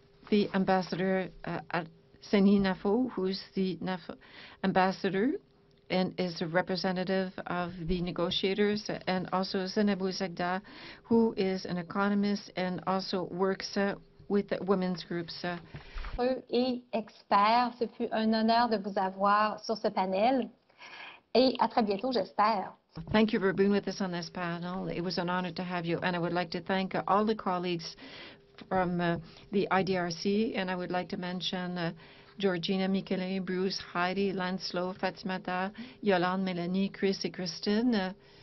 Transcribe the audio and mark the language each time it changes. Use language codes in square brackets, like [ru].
[en] The Ambassador Seni Nafou, who's the ambassador and is a representative of the negotiators, and also Zenebou Zegda, who is an economist and also works with women's groups. [fr] Et experts, ce fut un honneur de vous avoir sur ce panel. Et à très bientôt, j'espère. [en] Thank you for being with us on this panel. It was an honor to have you, and I would like to thank all the colleagues from the IDRC, and I would like to mention Georgina, Michele, Bruce, Heidi, Lancelot, Fatimata, Yolande, Melanie, Chris, and Kristen.